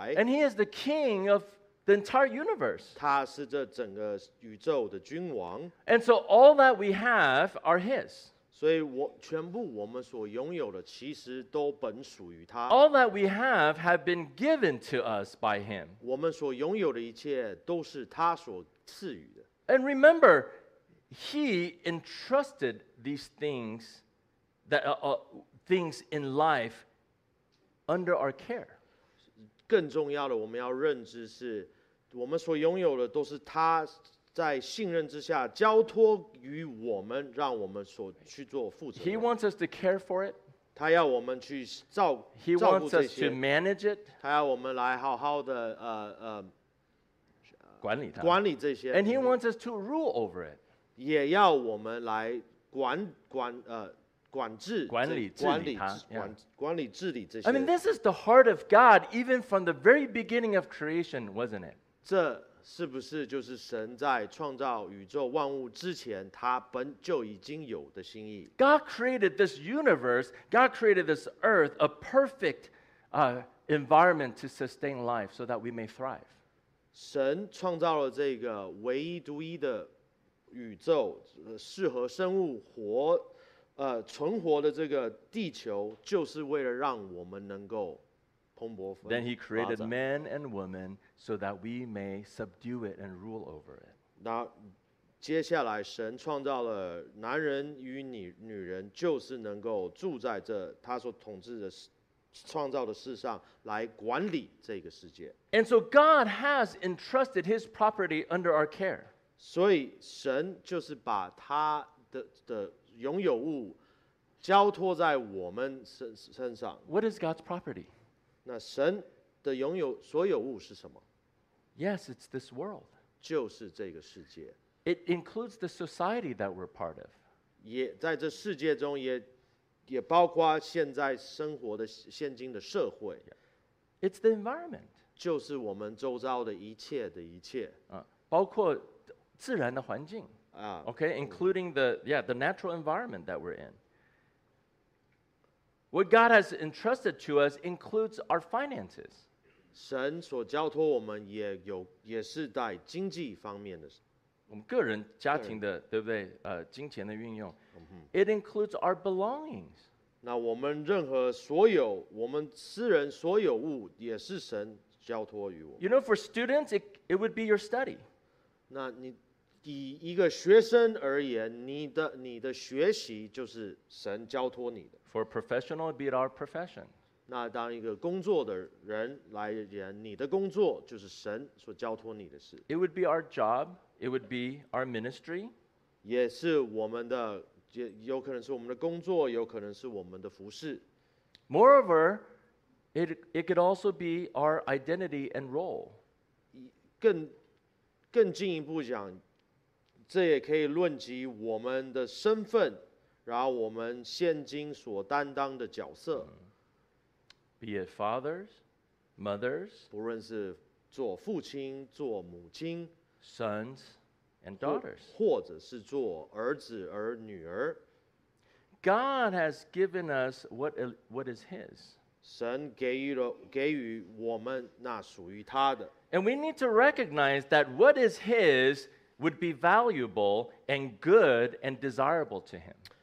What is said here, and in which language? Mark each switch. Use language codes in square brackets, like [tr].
[en] And he is the king of the entire universe. [zh] 他是这整个宇宙的君王。 [en] And so all that we have are his. [zh] 所以全部我们所拥有的其实都本属于他。 [en] All that we have been given to us by him. [zh] 我们所拥有的一切都是他所赐予的。 [en] And remember,He entrusted these things, things in life under our care. [zh] 更重要的，我们要认知是，我们所拥有的都是他在信任之下交托于我们，让我们所去做负责。 [en] He wants us to care for it. [zh] 他要我们去照顾这些。 [en] He wants us to manage it. [zh] 他要我们来好好的管理它。管理这些。 [en] And he wants us to rule over it. [zh] 也要我们来管制管理治理他管理治理这些 [en] I mean this is the heart of God even from the very beginning of creation wasn't it [zh] 这是不是就是神在创造宇宙万物之前他本就已经有的心意 [en] God created this universe God created this earth a perfect environment to sustain life so that we may thrive [zh] 神创造了这个唯一独一的宇宙适合生物活存活的这个地球就是为了让我们能够蓬勃发展。 [en] Then he created man and woman so that we may subdue it and rule over it. [zh] 那接下来神创造了男人与女人就是能够住在这他所统治的创造的世上来管理这个世界。 [en] And so God has entrusted his property under our care. [zh] 所以神就是把他 的拥有物交托在我们 身上。 [en] What is God's property? [zh] 那神的拥有所有物是什么 [en] ？Yes, it's this world. [zh] 就是这个世界。 [en] It includes the society that we're part of. [zh] 也在这世界中也包括现在生活的现今的社会。 [en] It's the environment. [zh] 就是我们周遭的一切的一切。包括。自然的环境 [en] okay, including the natural environment that we're in. What God has entrusted to us includes our finances. [zh] 神所交托我们也有也是在经济方面的。我们个人家庭的对不对金钱的运用。 [en] It includes our belongings. [zh] 那我们任何所有我们私人所有物也是神交托于我们。 [en] You know, for students, it would be your study. [zh] 那你以一个学生而言你的学习就是神交托你的。 [en] For a professional, it would be our profession. [zh] 那当一个工作的人来言你的工作就是神所交托你的事。 [en] It would be our job, it would be our ministry. [zh] 也是我们的有可能是我们的工作有可能是我们的服事。 [en] Moreover, it could also be our identity and role. [zh] 更进一步讲这也可以论及我们的身份然后我们现今所担当的角色。 [en] Be it fathers, mothers, [zh] 不论是做父亲做母亲 [en] sons and daughters, [zh] 或者是做儿子儿女儿。 [en] God has given us what is his. [zh] 神给予我们那属于他的。 [en] And we need to recognize that what is his would be valuable and good and desirable to him.